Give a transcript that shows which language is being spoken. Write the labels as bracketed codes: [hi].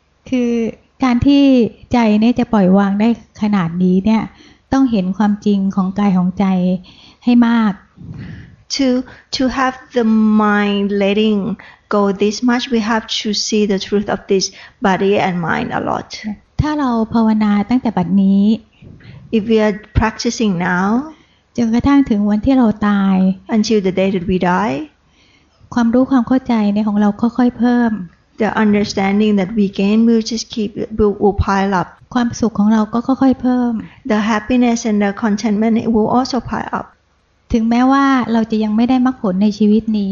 [th] คือการที่ใจเนี่ยจะปล่อยวางได้ขนาดนี้เนี่ยต้องเห็นความจริงของกายของใจให้มาก [en] to have the mind letting go this much we have to see the truth of this body and mind a lot [th] ถ้าเราภาวนาตั้งแต่บัดนี้ [en] if we are practicing now [th] จนกระทั่งถึงวันที่เราตาย [en] Until the day that we die [th] ความรู้ความเข้าใจในของเราค่อยๆเพิ่ม [en] The understanding that we gain will just keep will pile up [th] ความสุขของเราก็ค่อยๆเพิ่ม [en] The happiness and the contentment will also pile up [th] ถึงแม้ว่าเราจะยังไม่ได้มรรคผลในชีวิตนี